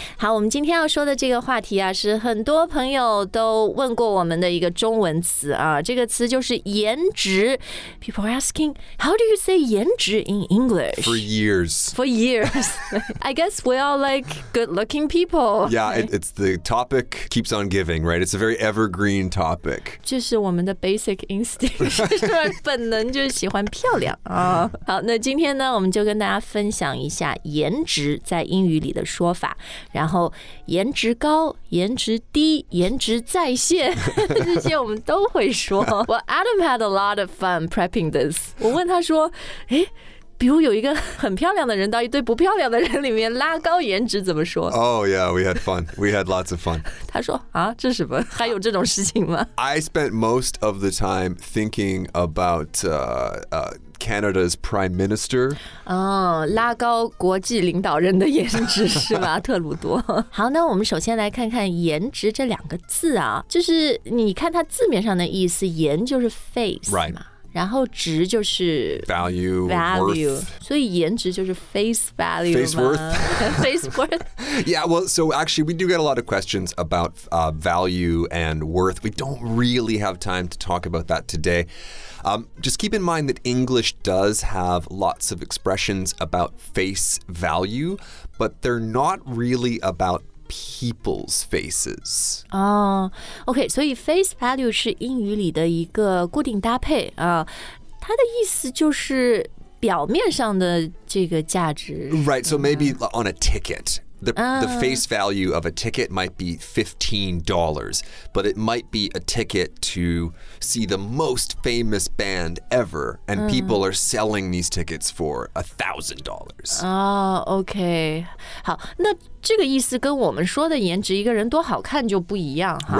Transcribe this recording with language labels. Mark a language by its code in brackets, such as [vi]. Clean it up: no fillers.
[zh] 好，我们今天要说的这个话题啊，是很多朋友都问过我们的一个中文词啊，这个词就是颜值。 [en] People are asking, how do you say 颜值 in English? For years. For years. I guess we all like good-looking people. Yeah, it's the topic keeps on giving, right? It's a very evergreen topic. [zh] 这是我们的 [en] basic instinct, [zh] 本能就是喜欢漂亮啊。好，那今天呢，我们就跟大家分享一下颜值在英语里的说法，然后颜值高、颜值低、颜值在线，这些我们都会说。 [en] Well, Adam had a lot of fun prepping this. [zh] 我问他说，诶，比如有一个很漂亮的人到一堆不漂亮的人里面拉高颜值怎么说 [en] ？Oh yeah, we had fun. We had lots of fun. [zh] 他说啊，这什么？还有这种事情吗 [en] ？I spent most of the time thinking about Canada's Prime Minister. [zh] 哦，拉高国际领导人的颜值是吗？特鲁多。好，那我们首先来看看颜值这两个字啊，就是你看它字面上的意思，颜就是 face， [en] right？ [zh] 然后值就是 [en] value, worth. [zh] 所以颜值就是 face value, [en] face worth. Face worth. Yeah, well, so actually we do get a lot of questions about value and worth. We don't really have time to talk about that today. Just keep in mind that English does have lots of expressions about face value, but they're not really aboutPeople's faces. Oh, okay. So face value is [zh] 英语里的一个固定搭配啊。它的意思就是表面上的这个价值。 [en] Right. So maybe on a ticket, the face value of a ticket might be $15, but it might be a ticket to see the most famous band ever, and people are selling these tickets for $1,000. Oh, okay. [zh] 好，那。这个意思跟我们说的颜值一个人多好看就不一样哈。